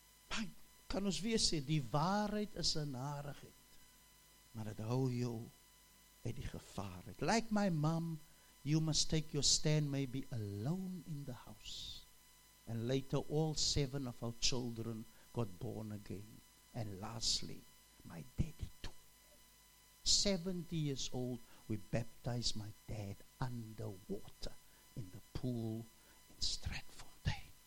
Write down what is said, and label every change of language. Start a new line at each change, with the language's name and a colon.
Afrikaans: My, kan ons weer sê, die waarheid is 'n narigheid. Maar het hou jou uit die gevaar.
English: Like my mom, you must take your stand maybe alone in the house. And later, all 7 of our children got born again. And lastly, my daddy too. 70 years old, we baptized my dad underwater in the pool in Stratfontein.